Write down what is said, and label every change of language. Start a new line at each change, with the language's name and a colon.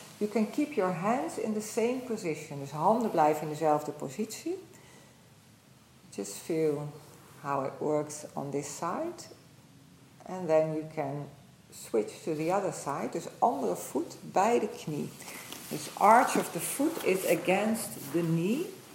English: You can keep your hands in the same position.
Dutch: Dus handen blijven in dezelfde positie.
English: Just feel how it works on this side. And then you can switch to the other side.
Dutch: Dus andere voet bij de knie.
English: Dus arch of the foot is against the knee.